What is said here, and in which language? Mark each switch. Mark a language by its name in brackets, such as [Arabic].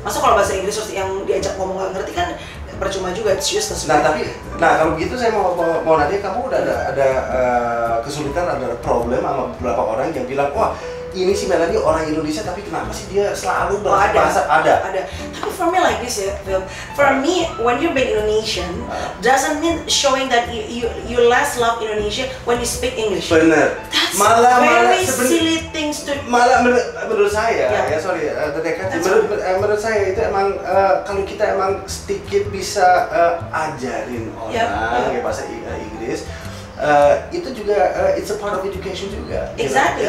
[Indonesian] Masa kalau bahasa Inggris terus yang diajak ngomong enggak ngerti kan percuma juga, [English] it's useless. [Indonesian] Nah, tapi nah kalau begitu saya mau nanya, kamu udah ada kesulitan atau ada problem sama beberapa orang yang bilang, "Wah, ini sih Melaney orang Indonesia tapi kenapa sih dia selalu bahasa ada?" Ada. Tapi [English] for me like this ya, Phil. For me when you're being Indonesian doesn't mean showing that you less love Indonesia when you speak English. [Indonesian] Benar. [English] Malah silly things to [Indonesian] malah menurut saya ya sorry terdekat menurut saya itu emang kalau kita emang sedikit bisa ajarin orang bahasa Inggris itu juga [English] it's a part of education [Indonesian] juga. [English] Exactly.